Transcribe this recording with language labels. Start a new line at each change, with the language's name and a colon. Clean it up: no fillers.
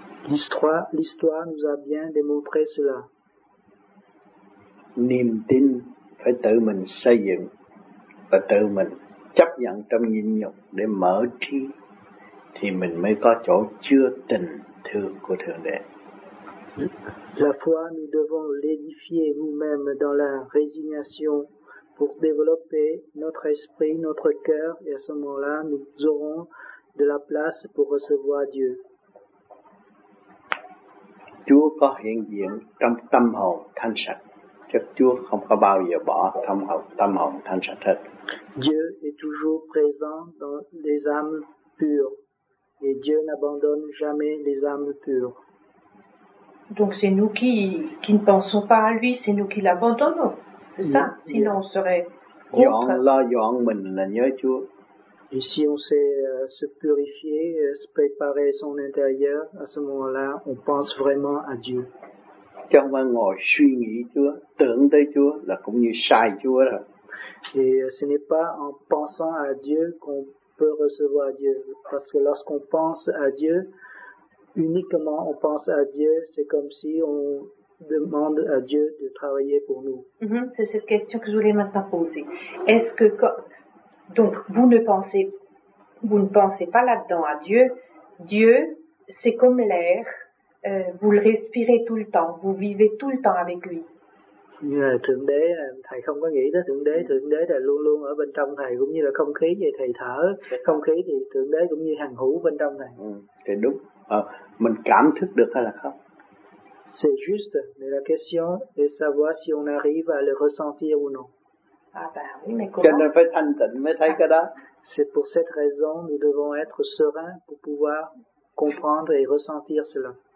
French: L'histoire nous a bien démontré cela.
Vietnamese: Niềm tin phải tự mình xây dựng và tự mình chấp nhận trong nhịn nhục để mở trí, thì mình mới có chỗ chứa tình thương của Thượng Đế.
French: La foi, nous devons l'édifier nous-mêmes dans la résignation pour développer notre esprit, notre cœur, et à ce moment-là, nous aurons de la place pour recevoir Dieu.
Vietnamese: Chúa có hiện diện trong tâm hồn thanh sạch, chứ Chúa không có bao giờ bỏ tâm hồn thanh sạch hết.
French: Dieu est toujours présent dans les âmes pures, et Dieu n'abandonne jamais les âmes pures. Donc c'est nous qui ne pensons pas à lui, c'est nous qui l'abandonnons, c'est ça? Sinon on serait contre. Et si on sait se purifier, se préparer son intérieur, à ce moment-là, on pense vraiment à Dieu. Quand on
Vietnamese: ngồi suy nghĩ Chúa, tưởng tới Chúa là cũng như sai Chúa rồi.
French: Et ce n'est pas en pensant à Dieu qu'on peut recevoir Dieu. Parce que lorsqu'on pense à Dieu, uniquement on pense à Dieu, c'est comme si on demande à Dieu de travailler pour nous. Mm-hmm. C'est cette question que je voulais maintenant poser. Est-ce que quand... Donc, vous ne pensez pas là-dedans à Dieu. Dieu, c'est comme l'air. Vous le respirez tout le temps. Vous vivez tout le temps avec lui.
Vietnamese: Thượng Đế, thầy không có nghĩ tới Thượng Đế là luôn luôn ở bên trong thầy, cũng như là không khí vậy, thầy thở. Không khí thì Thượng Đế cũng như hằng hữu bên trong thầy. Thì đúng. Mình cảm thức được hay là không?
French: C'est juste, mais la question est savoir si on arrive à le ressentir ou non. Ah ben oui, mais comment? C'est pour cette raison que nous devons être sereins pour pouvoir comprendre et ressentir cela.